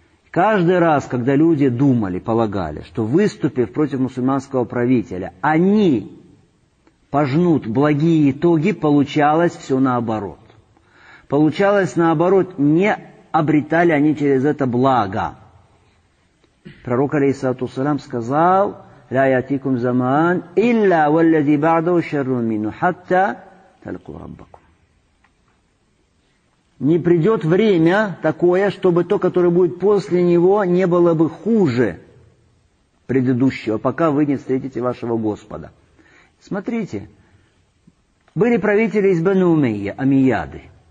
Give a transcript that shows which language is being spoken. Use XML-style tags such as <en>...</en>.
<ru>Каждый раз, когда люди думали, полагали, что выступив против мусульманского правителя, они пожнут благие итоги, получалось все наоборот. Получалось наоборот, не обретали они через это благо. Пророк, алейхиссалату вассалям, сказал...</ru> <ar>لا ياتيكم زمان الا والذي بعده شر منه حتى تلقوا ربكم.</ar> <ru>Не придет время такое, чтобы то, которое будет после него, не было бы хуже предыдущего, пока вы не встретите вашего Господа. Смотрите, были правители из Бану Умейя, Амияды.</ru>